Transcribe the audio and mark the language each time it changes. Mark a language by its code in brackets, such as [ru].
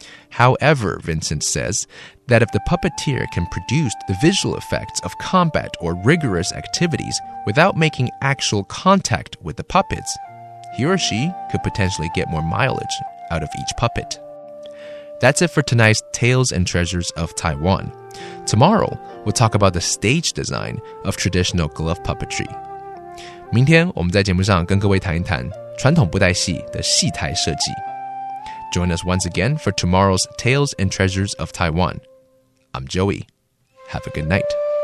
[en] However, Vincent says, that if the puppeteer can produce the visual effects of combat or rigorous activities without making actual contact with the puppets, he or she could potentially get more mileage out of each puppet. That's it for tonight's Tales and Treasures of Taiwan. Tomorrow, we'll talk about the stage design of traditional glove puppetry. [zh] 明天我们在节目上跟各位谈一谈传统布袋戏的戏台设计。 [en] Join us once again for tomorrow's Tales and Treasures of Taiwan. I'm Joey. Have a good night.